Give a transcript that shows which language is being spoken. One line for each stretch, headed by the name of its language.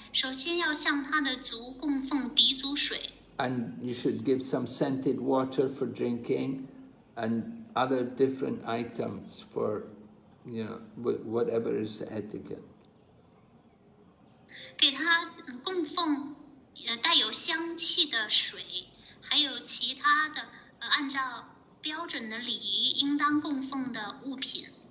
Chinese: 当作贵宾来崇拜，首先要向他的族供奉鼻祖水。
English: And you should give some scented water for drinking, and other different items for, you know, whatever is the etiquette.
Chinese: 给他供奉带有香气的水，还有其他的按照标准的礼仪应当供奉的物品。